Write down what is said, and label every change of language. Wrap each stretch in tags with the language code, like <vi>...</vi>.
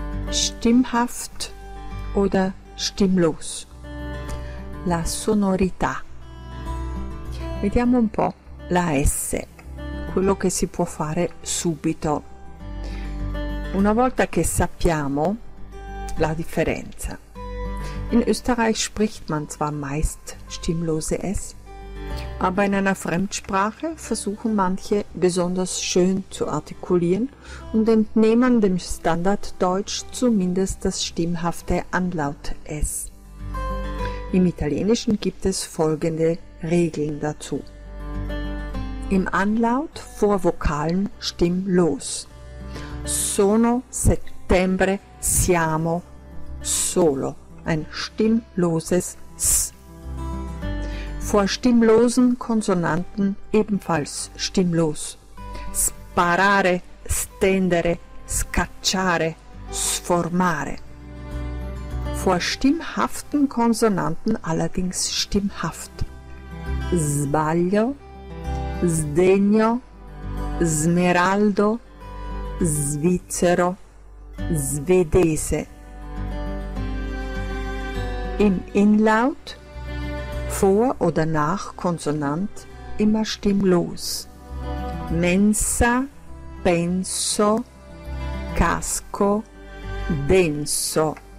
<de>stimmhaft oder stimmlos.</de> <it>La sonorità. Vediamo un po' la S, quello che si può fare subito. Una volta che sappiamo la differenza.</it> <de>In Österreich spricht man zwar meist stimmlose S, aber in einer Fremdsprache versuchen manche besonders schön zu artikulieren und entnehmen dem Standarddeutsch zumindest das stimmhafte Anlaut S. Im Italienischen gibt es folgende Regeln dazu. Im Anlaut vor Vokalen stimmlos.</de> <it>Sono settembre siamo solo.</it> <de>Ein stimmloses S. Vor stimmlosen Konsonanten ebenfalls stimmlos.</de> <it>Sparare, stendere, scacciare, sformare.</it> <de>Vor stimmhaften Konsonanten allerdings stimmhaft.</de> <it>Sbaglio, sdegno, smeraldo, svizzero, svedese.</it> <de>Im Inlaut, vor oder nach Konsonant, immer stimmlos.</de> <it>Mensa, penso, casco, denso.</it>